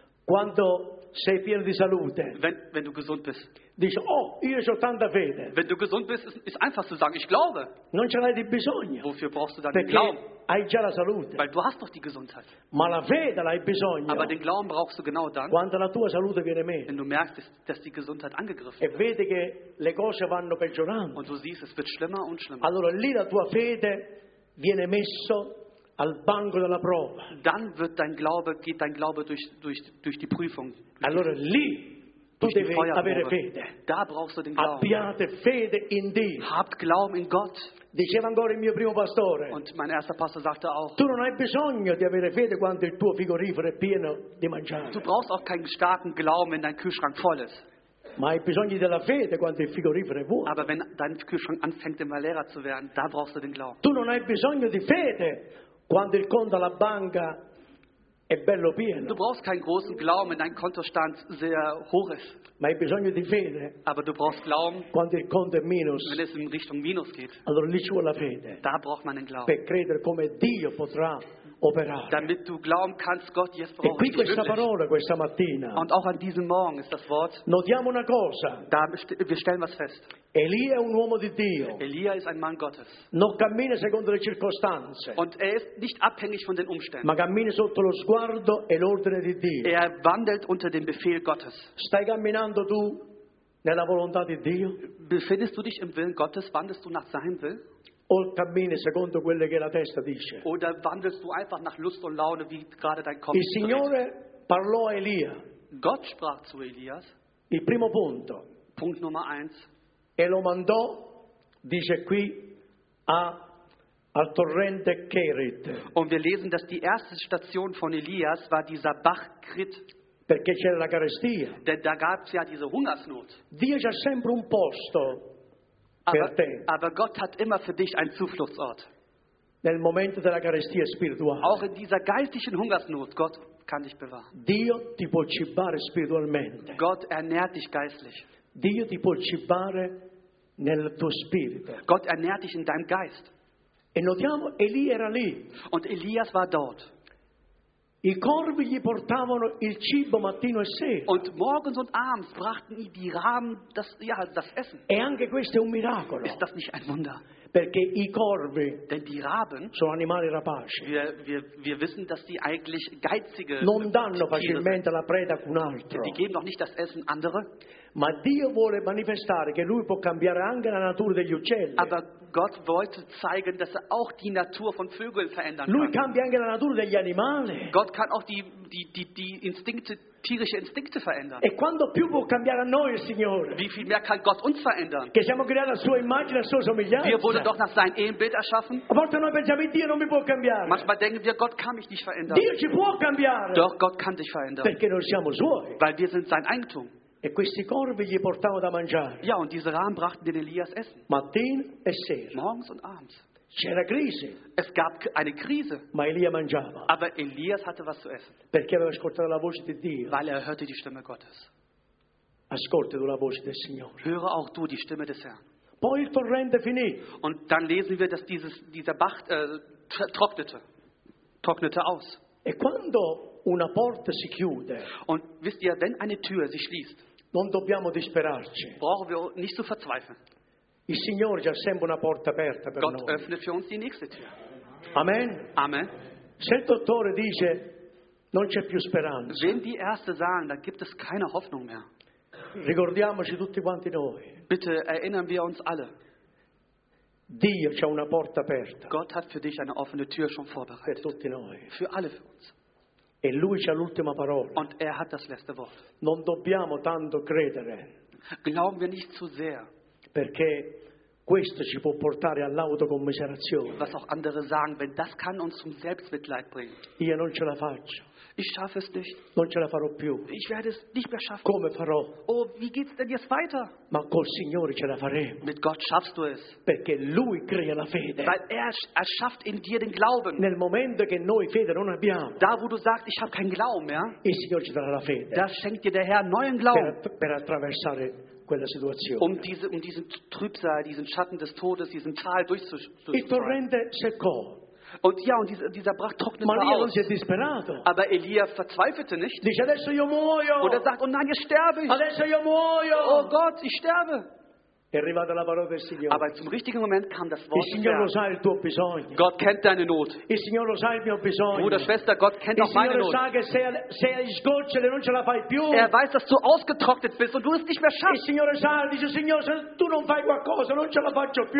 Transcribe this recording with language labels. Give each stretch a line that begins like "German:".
Italian: Quando sei pieno di salute.
German: Wenn du gesund bist.
Italian: Dici, oh, io ho tanta fede.
German: Wenn du gesund bist, ist einfach zu sagen, ich glaube.
Italian: Non ce l'hai di bisogno.
German: Wofür brauchst du dann
Italian: perché
German: den Glauben?
Italian: Hai già la salute.
German: Weil du hast doch die Gesundheit.
Italian: Ma la fede l'hai bisogno.
German: Aber den Glauben brauchst du genau dann.
Italian: Quando la tua salute viene meno.
German: Wenn du merkst, dass die Gesundheit angegriffen
Italian: e
German: wird.
Italian: E vedi che le cose vanno peggiorando.
German: Und du siehst, es wird schlimmer und schlimmer.
Italian: Allora lì la tua fede viene messo al banco della prova.
German: Dann wird dein Glaube, geht dein Glaube durch die Prüfung.
Italian: Allora lì tu devi avere fede.
German: Da brauchst du den Glauben.
Italian: Abbiate fede in Dio.
German: Habt Glauben in Gott.
Italian: Diceva ancora il mio primo pastore.
German: Und mein erster Pastor sagte auch.
Italian: Tu non hai bisogno di avere fede quando il tuo frigorifero è pieno di mangiare.
German: Du brauchst auch keinen starken Glauben, wenn dein Kühlschrank voll ist.
Italian: Ma hai bisogno della fede quando il frigorifero è vuoto.
German: Aber wenn dein Kühlschrank anfängt immer leerer zu werden, da brauchst du den Glauben.
Italian: Tu non hai bisogno di fede quando il conto alla banca è bello pieno.
German: Du brauchst keinen großen Glauben, wenn dein Kontostand sehr hoch ist.
Italian: Ma hai bisogno di fede.
German: Aber du brauchst Glauben.
Italian: Quando il conto è minus.
German: Wenn es in Richtung minus geht.
Italian: Allora lì ci vuole la fede.
German: Da braucht man den Glauben.
Italian: Per credere come Dio potrà operare.
German: Damit du glauben kannst, Gott jetzt brauchen.
Italian: E qui questa parola questa mattina.
German: Und auch an diesem Morgen ist das Wort.
Italian: Notiamo una cosa.
German: Da wir stellen was fest.
Italian: Elia è un uomo di Dio.
German: Elia ist ein Mann Gottes.
Italian: Non cammina secondo le circostanze.
German: Und er ist nicht abhängig von den Umständen.
Italian: Ma cammina sotto lo sguardo e l'ordine di Dio.
German: Er wandelt unter dem Befehl Gottes.
Italian: Stai camminando tu nella volontà di Dio?
German: Befindest du dich im Willen Gottes? Wandelst du nach seinem Willen?
Italian: O cammini secondo quelle che la testa dice.
German: Oder wandelst du einfach nach Lust und Laune, wie gerade dein Kopf sagt.
Italian: Il Signore parlò a Elia.
German: Gott sprach zu Elias.
Italian: Il primo punto.
German: Punkt Nummer 1.
Italian: E lo mandò, dice qui, al torrente Kerit.
German: Und wir lesen, dass die erste Station von Elias war dieser Bach Krit.
Italian: Perché c'era la carestia.
German: Denn da gab es ja diese Hungersnot.
Italian: Dio c'ha sempre un posto.
German: Aber Gott hat immer für dich einen Zufluchtsort.
Italian: nel momento della carestia spirituale.
German: Auch in dieser geistigen Hungersnot, Gott kann dich bewahren.
Italian: Dio ti può cibare spiritualmente.
German: Gott ernährt dich geistlich.
Italian: Dio ti può cibare nel tuo spirito.
German: Gott ernährt dich in deinem Geist.
Italian: E notiamo, Elia era lì.
German: Und Elias war dort.
Italian: I corvi gli portavano il cibo mattino e sera.
German: Und morgens und abends brachten die Raben das, ja, das Essen.
Italian: E anche questo è un miracolo.
German: Ist das nicht ein Wunder?
Italian: Perché i corvi,
German: denn die Raben,
Italian: sono animali rapaci.
German: Wir wissen, dass sie eigentlich geizige.
Italian: Non danno facilmente la preda ad un altro.
German: Die geben doch nicht das Essen andere.
Italian: Ma Dio vuole manifestare che lui può cambiare anche la natura degli uccelli.
German: Aber Gott wollte zeigen, dass er auch die Natur von Vögeln verändern kann.
Italian: Lui cambia anche la natura degli animali.
German: Gott kann auch die Instinkte, tierische Instinkte verändern.
Italian: E quanto più può cambiare a noi, Signore?
German: Wie viel mehr kann Gott uns verändern?
Italian: Che siamo creati a sua immagine, a sua somiglianza.
German: Wir wurden doch nach seinem Ebenbild erschaffen.
Italian: A volte noi pensiamo, Dio non mi può cambiare.
German: Manchmal denken wir, Gott kann mich nicht verändern.
Italian: Dio ci può cambiare.
German: Doch Gott kann dich verändern.
Italian: Perché noi siamo suoi.
German: Weil wir sind sein Eigentum.
Italian: E questi corvi gli portavano da mangiare.
German: Ja, und diese Raben brachten den Elias Essen.
Italian: Mattina e sera.
German: Morgens und abends.
Italian: C'era crisi.
German: Es gab eine Krise.
Italian: Ma Elia mangiava.
German: Aber Elias hatte was zu essen.
Italian: Perché aveva ascoltato la voce di Dio.
German: Weil hörte die Stimme Gottes.
Italian: Ascolta tu la voce del Signore.
German: Höre auch du die Stimme des Herrn.
Italian: Poi il torrente finì.
German: Und dann lesen wir, dass dieser Bach trocknete aus.
Italian: E quando una porta si chiude.
German: Und wisst ihr, wenn eine Tür sich schließt.
Italian: Non dobbiamo disperarci.
German: Brauchen wir nicht zu verzweifeln.
Italian: Il Signore ha sempre una porta aperta per
German: Gott Gott öffnet für uns die nächste Tür.
Italian: Amen.
German: Amen.
Italian: Se il dottore dice non c'è più speranza.
German: Wenn die Ärzte sagen, da gibt es keine Hoffnung mehr.
Italian: Ricordiamoci tutti quanti noi.
German: Bitte erinnern wir uns alle.
Italian: Dio c'ha una porta aperta.
German: Gott hat für dich eine offene Tür schon vorbereitet.
Italian: Per tutti noi.
German: Für alle von uns.
Italian: E lui c'ha l'ultima parola.
German: Und hat das letzte Wort.
Italian: Non dobbiamo tanto credere.
German: Glauben wir nicht zu sehr.
Italian: Perché questo ci può portare all'autocommiserazione.
German: Was auch andere sagen, wenn das kann uns zum Selbstmitleid bringen.
Italian: Io non ce la faccio.
German: Ich schaffe es nicht.
Italian: Non ce la farò più.
German: Ich werde es nicht mehr schaffen.
Italian: Come farò?
German: Oh, wie geht's denn jetzt weiter?
Italian: Ma col Signore ce la faremo.
German: Mit Gott schaffst du es.
Italian: Perché lui crea la fede.
German: Weil erschafft in dir den Glauben.
Italian: Nel momento che noi fede non abbiamo.
German: Da wo du sagst, ich habe keinen Glauben mehr.
Italian: Il Signore ci darà la fede.
German: Da schenkt dir der Herr neuen Glauben.
Italian: Per attraversare quella situazione.
German: Diesen Trübsal, diesen Schatten des Todes, diesen Tal durchzustehen.
Italian: Il torrente seccò.
German: Und ja, und dieser Bach trocknete Maria aus.
Italian: Si è disperato.
German: Aber Elia verzweifelte nicht.
Italian: Dice, adesso io muoio.
German: Und er sagt, oh nein, jetzt sterbe ich.
Italian: Adesso io muoio.
German: Oh Gott, ich sterbe.
Italian: È arrivata la parola del Signore.
German: Aber zum richtigen Moment kam das Wort.
Italian: Il Signore lo sa il tuo bisogno.
German: Gott kennt deine Not.
Italian: Il Signore lo sa il mio bisogno.
German: Bruder, Schwester, Gott kennt auch meine Not.
Italian: Il Signore sa che sei agli sgoccioli, non ce la fai più.
German: Er weiß, dass du ausgetrocknet bist und du es nicht mehr schaffst.
Italian: Il Signore sa, dice, Signore, se tu non fai qualcosa, non ce la faccio più.